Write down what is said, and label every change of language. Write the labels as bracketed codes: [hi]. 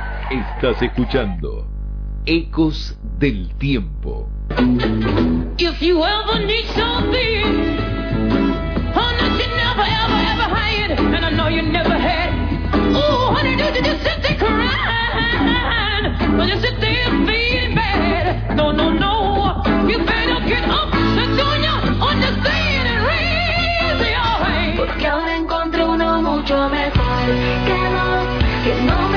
[es] Estás escuchando Ecos del Tiempo. [en] If you ever need something, oh, no, you never, ever, ever hide it. And I know you never had. Oh, honey, don't you just sit there crying. Don't you sit there feeling bad. No, no, no. You better get up. Let's go on your understanding and raise your hand. [es] Porque ahora encontré uno mucho mejor que vos, que no.